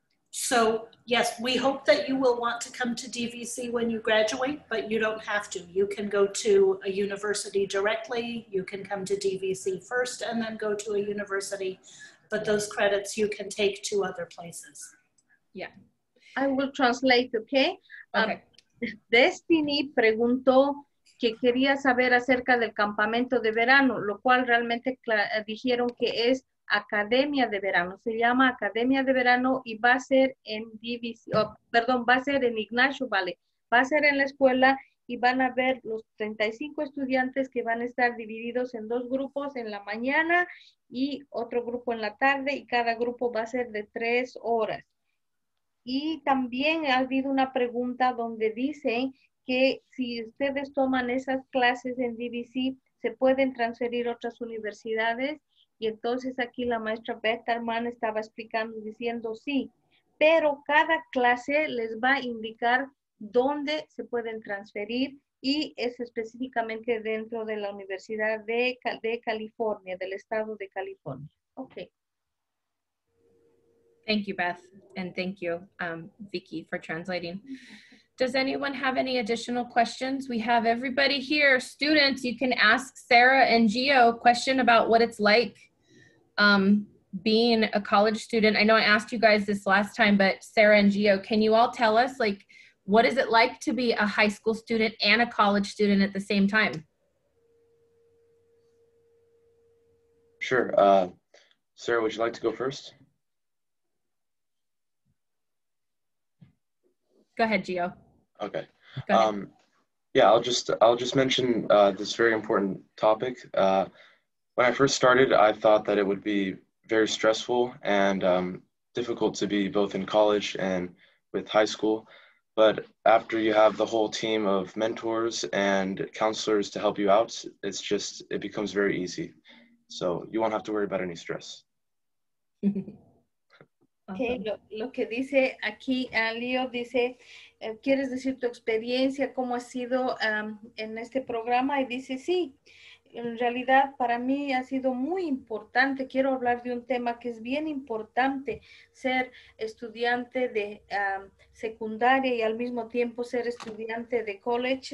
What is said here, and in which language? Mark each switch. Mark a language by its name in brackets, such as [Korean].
[English] So yes, we hope that you will want to come to DVC when you graduate, but you don't have to. You can go to a university directly. You can come to DVC first and then go to a university. But those credits you can take to other places. Yeah. I will translate, okay? Okay. [Spanish] Destiny preguntó que quería saber acerca del campamento de verano, lo cual realmente dijeron que es Academia de Verano, se llama Academia de Verano y va a ser en DVC, oh, perdón, va a ser en Ignacio Valley, va a ser en la escuela y van a ver los 35 estudiantes que van a estar divididos en dos grupos en la mañana y otro grupo en la tarde, y cada grupo va a ser de 3 horas. Y también ha habido una pregunta donde dicen que si ustedes toman esas clases en DVC, se pueden transferir a otras universidades. Y entonces aquí la maestra Beth Arman estaba explicando, diciendo sí, pero cada clase les va a indicar dónde se pueden transferir, y es específicamente dentro de la Universidad de California, del estado de California. [English] Okay. Thank you, Beth, and thank you, Vicky, for translating. Does anyone have any additional questions? We have everybody here, students. You can ask Sarah and Gio a question about what it's like being a college student. I know I asked you guys this last time, but Sarah and Gio, can you all tell us, like, what is it like to be a high school student and a college student at the same time? Sure. Sarah, would you like to go first? Go ahead, Gio. Okay. Yeah, I'll just mention this very important topic. When I first started, I thought that it would be very stressful and difficult to be both in college and with high school. But after you have the whole team of mentors and counselors to help you out, it becomes very easy. So you won't have to worry about any stress. [Spanish] Okay, lo que dice aquí, Leo, dice, ¿quieres decir tu experiencia, cómo ha sido en este programa? Y dice, sí. En realidad, para mí ha sido muy importante. Quiero hablar de un tema que es bien importante, ser estudiante de secundaria y al mismo tiempo ser estudiante de college.